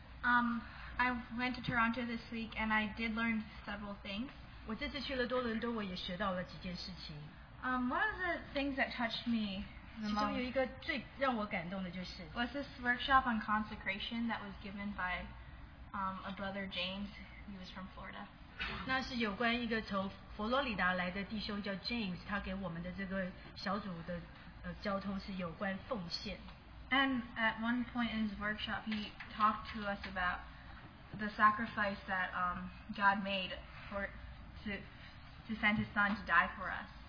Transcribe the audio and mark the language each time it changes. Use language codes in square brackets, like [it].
[en] I went to Toronto this week and I did learn several things. [zh] 我这次去了多伦多，我也学到了几件事情。 [en] One of the things that touched me the most. [zh] 其中有一个最让我感动的就是 [en] was this workshop on consecration that was given by a brother James. He was from Florida. [zh] 那是有关一个从佛罗里达来的弟兄叫 James， 他给我们的这个小组的。 [en] And at one point in his workshop, he talked to us about the sacrifice that God made for to send His Son to die for us.